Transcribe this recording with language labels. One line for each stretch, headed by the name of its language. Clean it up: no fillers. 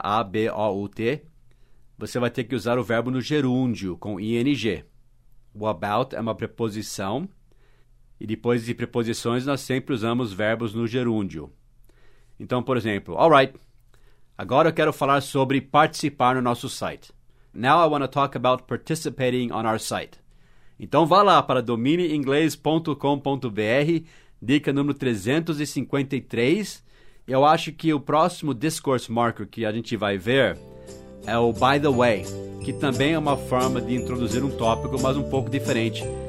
Portuguese: A-B-O-U-T. Você vai ter que usar o verbo no gerúndio, com ing. O about é uma preposição. E depois de preposições, nós sempre usamos verbos no gerúndio. Então, por exemplo, all right, agora eu quero falar sobre participar no nosso site.
English: Now I want to talk about participating on our site.
Portuguese: Então, vá lá para domineinglês.com.br, dica número 353. Eu acho que o próximo discourse marker que a gente vai ver é o by the way, que também é uma forma de introduzir um tópico, mas um pouco diferente.